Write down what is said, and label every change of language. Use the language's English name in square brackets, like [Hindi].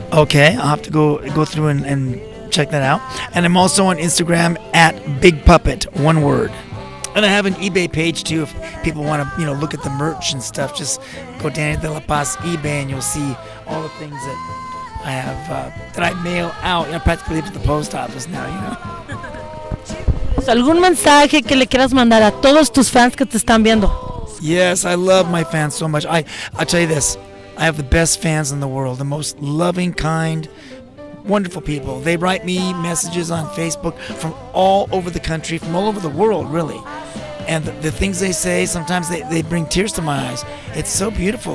[English] Okay, I'll have to go through and check that out. And I'm also on Instagram at Big Puppet, one word. And I have an eBay page too. If people want to, you know, look at the merch and stuff, just go Danny De La Paz eBay, and you'll see all the things that I have that I mail out. You know, practically to the post office now, you know. [Spanish] ¿Algún mensaje que le quieras mandar a todos tus fans que te están viendo? [English] Yes, I love my fans so much. I tell you this, I have the best fans in the world, the most loving, kind, wonderful people. They write me messages on Facebook from all over the country, from all over the world, really. And the things they say, sometimes they bring tears to my eyes. It's so beautiful.